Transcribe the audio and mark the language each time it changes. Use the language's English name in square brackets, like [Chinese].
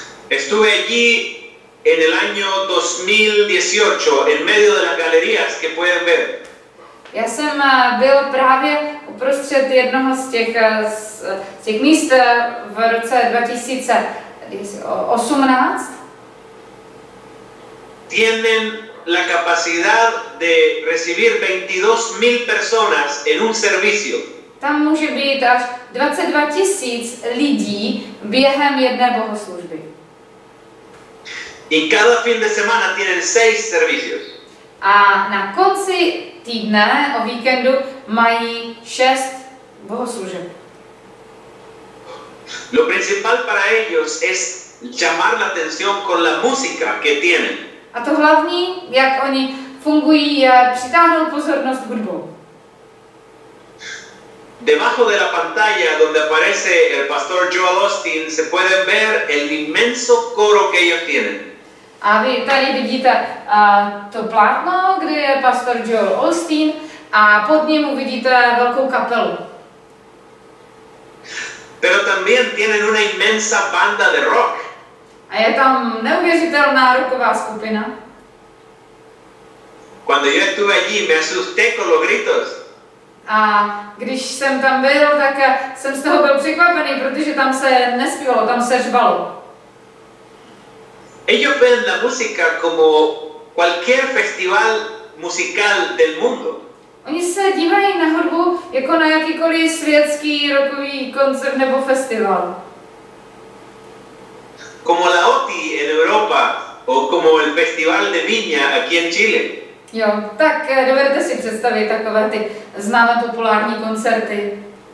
[Spanish] Estuve allí en el año 2018, en medio de las galerías que pueden ver. [Czech] Já jsem byl právě uprostřed jednoho z těch míst v roce 2018. [Spanish] Tienen la capacidad de recibir 22,000 personas en un servicio. [Czech] Tam může být až 22,000 lidí během jedné bohoslužby. [Spanish] Y cada fin de semana tienen 6 servicios. [Czech] A na konci týdne, o víkendu, mají 6 bohoslužeb. [Spanish] Lo principal para ellos es llamar la atención con la música que tienen. [Czech] A to hlavní, jak oni fungují, je přitáhnout pozornost hudbou. [Spanish] Debajo de la pantalla donde aparece el pastor Joel Osteen se puede ver el inmenso coro que ellos tienen. [Czech] A vy tady vidíte to plátno, kde je pastor Joel Osteen, a pod ním uvidíte velkou kapelu. [Spanish] Pero también tienen una inmensa banda de rock. [Czech] A je tam neuvěřitelná rocková skupina. [Spanish] Cuando yo estuve allí, me asusté con los gritos. [Czech] A když jsem tam byl, tak jsem z toho byl překvapený, protože tam se nespívalo, tam se řvalo. [Spanish] Ellos ven la música como cualquier festival musical del mundo. [Czech] Oni se dívají na hudbu jako na jakýkoliv světský rockový koncert nebo festival. [Spanish] Como la OTI en Europa o como el Festival de Viña aquí en Chile. [Czech] Jo, tak dovedete si představit takové ty známé populární koncerty.